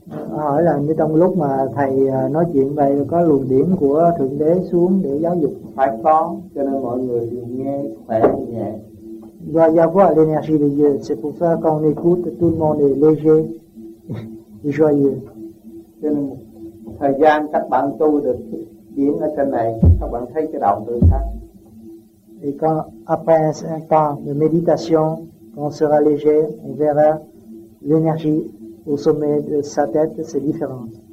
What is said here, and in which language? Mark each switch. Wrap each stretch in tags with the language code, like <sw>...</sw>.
<vi>Hỏi là như trong lúc mà thầy nói chuyện vậy có luồng điển của Thượng Đế xuống để giáo dục phải không? Cho nên mọi người đều nghe khỏe nhẹ.</vi> <fr>Il doit y avoir l'énergie de Dieu, c'est pour ça qu'on écoute tout le monde est léger et joyeux.</fr> <vi>Cho nên thời gian các bạn tu được điển ở trên này, các bạn thấy cái đầu tôi sao?</vi> <fr>Et quand après un temps de méditation, quand on sera léger, on verra l'énergie. Au sommet de sa tête, c'est différent.</fr>